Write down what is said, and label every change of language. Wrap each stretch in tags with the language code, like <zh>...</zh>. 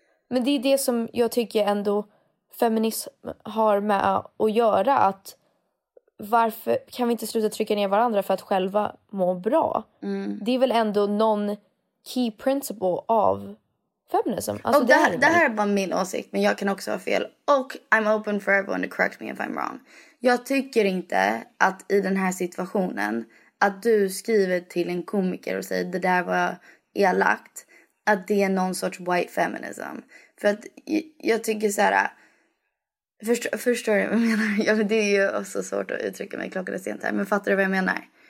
<sv>Men det är det som jag tycker ändå feminism har med att göra, att varför kan vi inte sluta trycka ner varandra för att själva må bra? Mm. Det är väl ändå någon</sv> <en>key principle</en> <sv>av feminism. Alltså, och det här är bara min åsikt, men jag kan också ha fel. Och</sv> <en>I'm open for everyone to correct me if I'm wrong.</en> <sv>Jag tycker inte att i den här situationen, att du skriver till en komiker och säger det där var elakt, att det är någon sorts</sv> <en>white feminism.</en> <sv>För att jag tycker så här... Förstår du vad jag menar? Ja, men det är ju också svårt att uttrycka mig, klockan är sent här. Men fattar du vad jag menar?</sv>